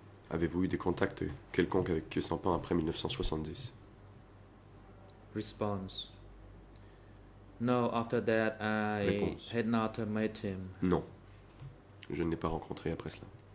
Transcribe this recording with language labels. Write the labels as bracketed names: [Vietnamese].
[French] Avez-vous eu des contacts quelconques avec Khieu Samphan après 1970? [English] Response. No, after that I had not met him. [French] Non, je ne l'ai pas rencontré après cela.